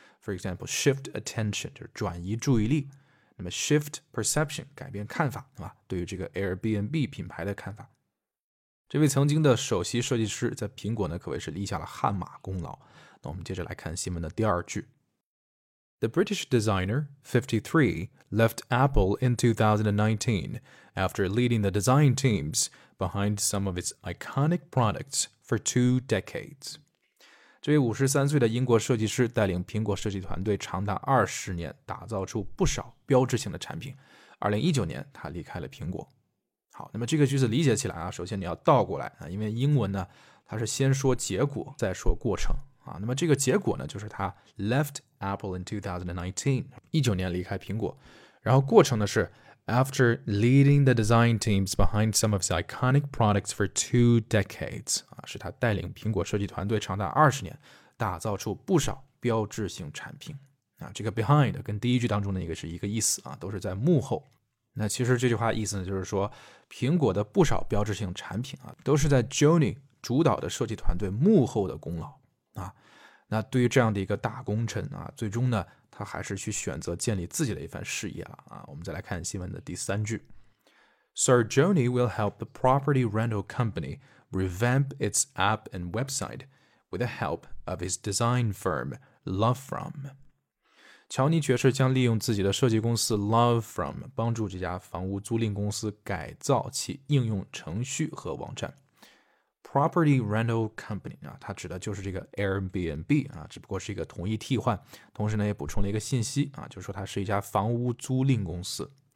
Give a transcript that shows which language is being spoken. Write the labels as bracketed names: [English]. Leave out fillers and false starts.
[English] For example, shift attention [Chinese] 就是转移注意力。那么 shift perception 改变看法、啊、对于这个 Airbnb 品牌的看法。这位曾经的首席设计师在苹果呢可谓是立下了汗马功劳。那我们接着来看新闻的第二句。 [English] The British designer, 53, left Apple in 2019 after leading the design teams behind some of its iconic products for 2 decades. [Chinese] 这位53岁的英国设计师带领苹果设计团队长达20年打造出不少标志性的产品。 2019年他离开了苹果。好，那么这个句子理解起来啊，首先你要倒过来啊，因为英文呢它是先说结果再说过程。啊、那么这个结果呢就是他 [English] left Apple in 2019 [Chinese] 19年离开苹果，然后过程呢是 [English] after leading the design teams behind some of the iconic products for 2 decades、 [Chinese] 啊、是他带领苹果设计团队长达20年打造出不少标志性产品、啊、这个 behind 跟第一句当中的一个是一个意思、啊、都是在幕后。那其实这句话意思呢就是说苹果的不少标志性产品、啊、都是在 Johnny 主导的设计团队幕后的功劳啊、那对于这样的一个大功臣、啊、最终呢他还是去选择建立自己的一番事业了、啊、我们再来看新闻的第三句。 [English] Sir Johnny will help the property rental company revamp its app and website with the help of his design firm Love From。 [Chinese] 乔尼爵士将利用自己的设计公司 Love From 帮助这家房屋租赁公司改造其应用程序和网站。 Property Rental Company、啊、它指的就是这个 Airbnb、啊、只不过是一个同义替换，同时呢也补充了一个信息、啊、就是说它是一家房屋租赁公司。